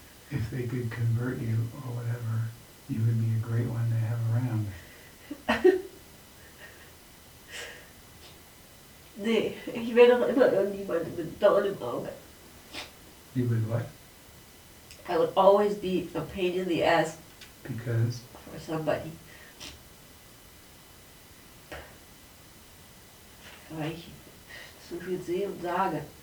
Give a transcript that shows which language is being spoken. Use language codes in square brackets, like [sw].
[en] If they could convert you or whatever, you would be a great one to have around. [de] Nee, ich will doch immer irgendjemanden mit Dorn im Auge. [en] You would what? I would always be a pain in the ass. Because? For somebody. [de] Weil ich so viel sehe und sage.